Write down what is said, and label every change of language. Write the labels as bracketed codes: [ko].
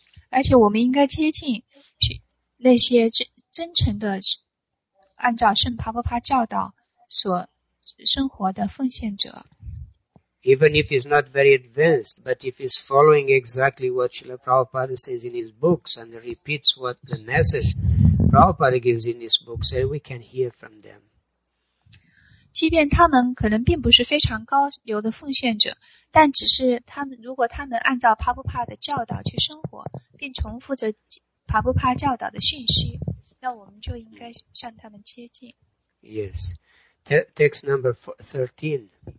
[zh] 而且我们应该接近那些真诚的按照圣帕布帕教导所生活的奉献者。 [en] Even if he's not very advanced, but if he's following exactly what Srila Prabhupada says in his books and repeats what the message Prabhupada gives in his books, then we can hear from them. [zh] 即便他们可能并不是非常高流的奉献者，但只是他们如果他们按照帕布帕的教导去生活，并重复着帕布帕教导的信息，那我们就应该向他们接近。 [en] Yes, text number 13.